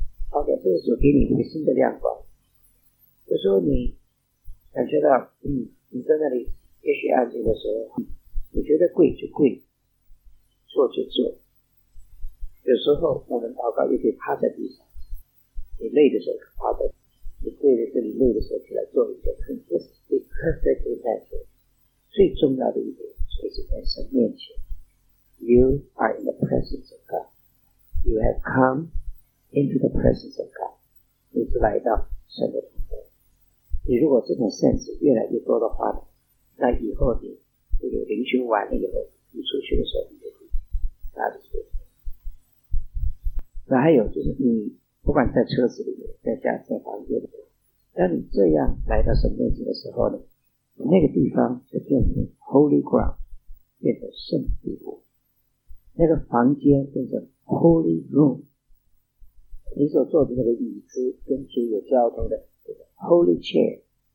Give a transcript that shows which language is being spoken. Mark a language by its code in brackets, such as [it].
[zh] OK， 这个主给你一个新的亮光。有时候你感觉到，你在那里也许安静的时候，你觉得跪就跪，坐就坐。有时候我们祷告也可以趴在地上，你累的时候趴在地上，你跪在这里累的时候起来做一件很就是最 [en] perfect intention。 [zh] 最重要的一点就是在神面前， [en] You are in the presence of God， You have come into the presence of God， [zh] 你是来到神的同在。你如果这种 sense 越来越多的话，那以后你这个灵修完了以后，你出去的时候你就会拿着书。那还有就是你不管在车子里面，在家，在房间里面，当你这样来到神面前的时候呢，那个地方就变成 [en] Holy Ground， [zh] 变成圣地，那个房间变成 [en] Holy Room， [zh] 你所坐的那个椅子跟主有交通的这个 [en] Holy Chair。